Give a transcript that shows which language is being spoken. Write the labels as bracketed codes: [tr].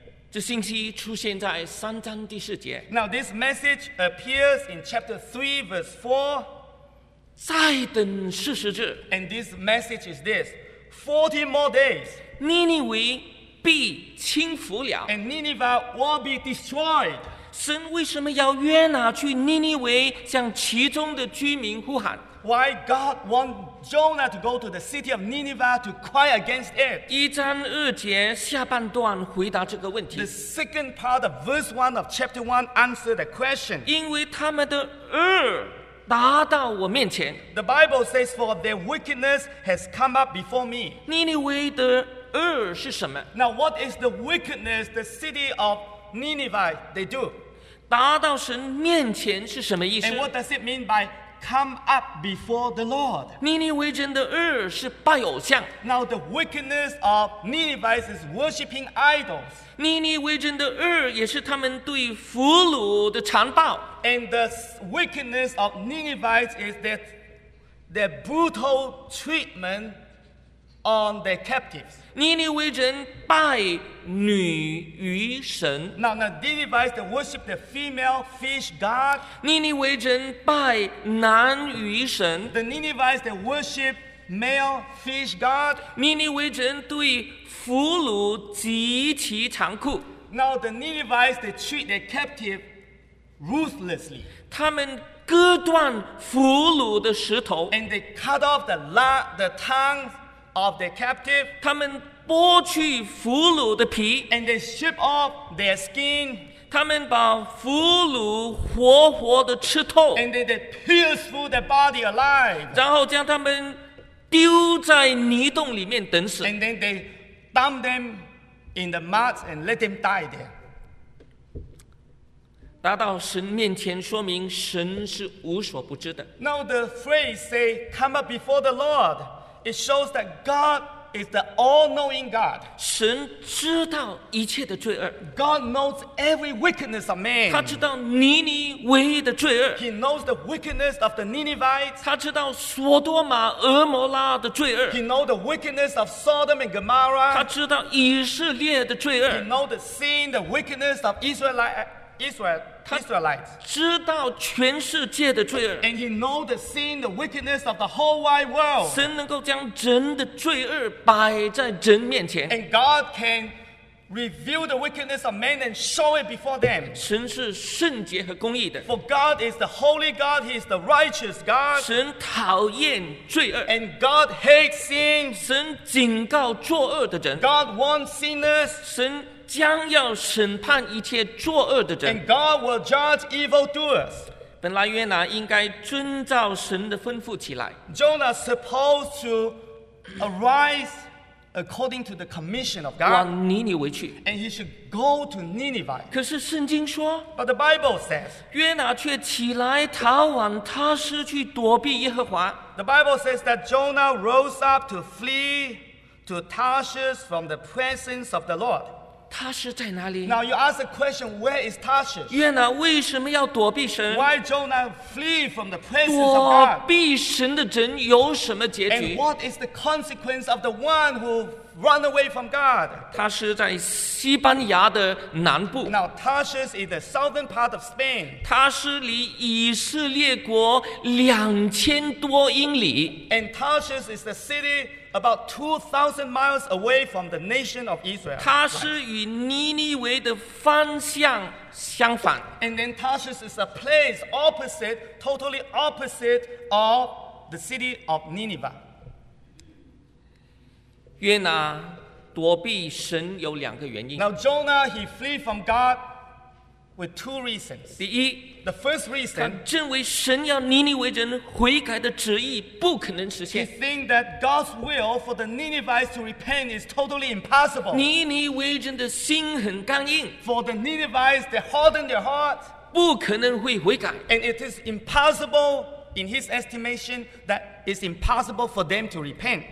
[zh] 这信息出现在三章第四节。 [en] Now this message appears in chapter 3 verse 4. [zh] 再等四十日。 [en] And this message is this. 40 more days. [zh] 尼尼微必倾覆了。 [en] And Nineveh will be destroyed. [zh] 神为什么要约拿去尼尼微向其中的居民呼喊 [en] Why God want Jonah to go to the city of Nineveh to cry against it? [zh] 一章二节下半段回答这个问题 [en] The second part of verse 1 of chapter 1 answers the question [zh] 因为他们的恶达到我面前 [en] The Bible says for their wickedness has come up before me [zh] 尼尼微的恶是什么 [en] Now what is the wickedness the city ofNineveh, they do. [zh] 达到神面前是什么意思 [en] And what does it mean by come up before the Lord? [zh] 尼尼微人的恶是拜偶像 [en] Now the wickedness of Nineveh is worshipping idols. [zh] 尼尼微人的恶也是他们对俘虏的残暴 [en] And the wickedness of Nineveh is that the brutal treatment on the captives. Ninevites devised to worship the female fish god. The Ninevites they worship male fish god. Now the Ninevites they treat the captive ruthlessly. And they cut off the tongue of the captive. [zh] 他们剥去俘虏的皮, [en] and they strip off their skin. [zh] 他们把俘虏活活的吃透, [en] and they pierce through the body alive. [zh] 然后将他们丢在泥洞里面等死, [en] and then they dump them in the mud and let them die there. [zh] 达到神面前说明神是无所不知的. [en] Now the phrase say, come up before the Lord. It shows that God is the all-knowing God. [zh] 神知道一切的罪恶. [en] God knows every wickedness of man. [zh] 他知道尼尼微的罪恶. [en] He knows the wickedness of the Ninevites. [zh] 他知道索多玛、俄摩拉的罪恶. [en] He knows the wickedness of Sodom and Gomorrah. [zh] 他知道以色列的罪恶. [en] He knows the sin, the wickedness of Israelites. [zh] 他知道全世界的罪恶. [en] And he knows the sin, the wickedness of the whole wide world. [zh] 神能够将人的罪恶摆在人面前. [en] And God can reveal the wickedness of men and show it before them. [zh] 神是圣洁和公义的. [en] For God is the holy God, he is the righteous God. [zh] 神讨厌罪恶. [en] And God hates sin. [zh] 神警告作恶的人. [en] God warns sinners. [zh] 神 And [en] God will judge evildoers. [zh] 本来约拿应该遵照神的吩咐起来. [en] Jonah supposed to arise according to the commission of God. [zh] 往尼尼微去. [en] And he should go to Nineveh. [zh] 可是圣经说, [en] but the Bible says, [zh] 约拿却起来逃往他施去躲避耶和华. [en] The Bible says that Jonah rose up to flee to Tarshish from the presence of the Lord. [zh] 他是在哪里? [en] Now you ask the question, where is Tarshish? [zh] 约拿为什么要躲避神? [en] Why Jonah flee from the presence of God? [zh] 躲避神的人有什么结局? [en] And what is the consequence of the one who run away from God? [zh] 他是在西班牙的南部. [en] Now Tarshish is the southern part of Spain. [zh] 他是离以色列国2000多英里. [en] And Tarshish is the city about 2,000 miles away from the nation of Israel. [zh] 它是与尼尼微的方向相反. [en] And then Tarshish is a place opposite, totally opposite of the city of Nineveh. [zh] 约拿躲避神有两个原因. [en] Now Jonah, he flee from God with two reasons. [zh] 第一, [en] the first reason, [zh] 他认为神要尼尼微人悔改的旨意不可能实现. [en] He think that God's will for the Ninevites to repent is totally impossible. [zh] 尼尼微人的心很刚硬. [en] For the Ninevites, they harden their hearts. [zh] 不可能会悔改. [en] And it is impossible in his estimation that it's impossible for them to repent.